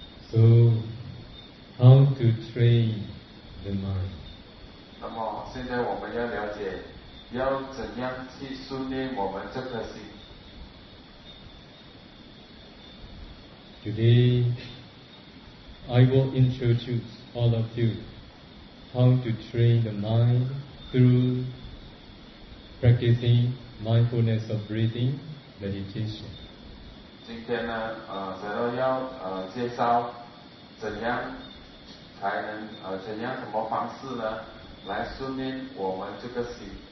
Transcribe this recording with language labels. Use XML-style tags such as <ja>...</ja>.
<en>So, how to train the mind?</en> <zh>那么现在我们要了解，要怎样去训练我们这颗心。</zh> <en>Today, I will introduce all of you how to train the mind through practicing mindfulness of breathing meditation.</en> <zh>今天呢，主要要介绍。怎样什么方式呢来训练我们这个心</zh>